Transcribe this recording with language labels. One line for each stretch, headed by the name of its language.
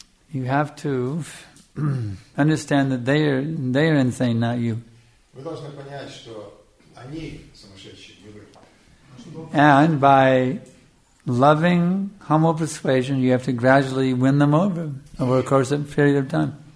English: You have to understand that they are insane, not you.
Russian: Вы должны понять, что они сумасшедшие, не вы.
English: And by loving, humble persuasion, you have to gradually win them over a course of a period of time.